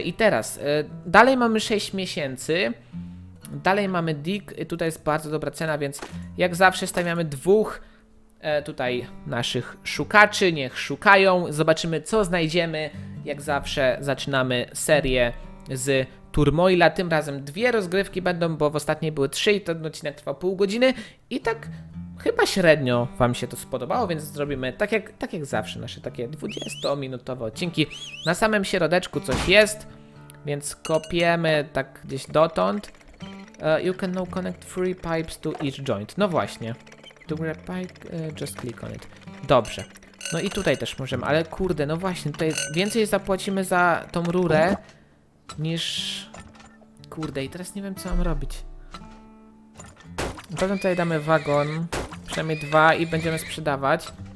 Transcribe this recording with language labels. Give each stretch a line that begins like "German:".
Polish: I teraz, dalej mamy 6 miesięcy, dalej mamy dig, tutaj jest bardzo dobra cena, więc jak zawsze stawiamy dwóch tutaj naszych szukaczy, niech szukają, zobaczymy co znajdziemy, jak zawsze zaczynamy serię z Turmoila, tym razem dwie rozgrywki będą, bo w ostatniej były trzy i ten odcinek trwał pół godziny. I tak chyba średnio wam się to spodobało, więc zrobimy tak jak zawsze nasze takie 20-minutowe odcinki. Na samym środeczku coś jest, więc kopiemy tak gdzieś dotąd.
English: You can now connect three pipes to each joint.
Polish: No właśnie.
English: To grab pipe, just click on it.
Polish: Dobrze. No i tutaj też możemy, ale kurde, no właśnie, tutaj więcej zapłacimy za tą rurę niż... Kurde, i teraz nie wiem co mam robić. Potem tutaj damy wagon, przynajmniej dwa i będziemy sprzedawać.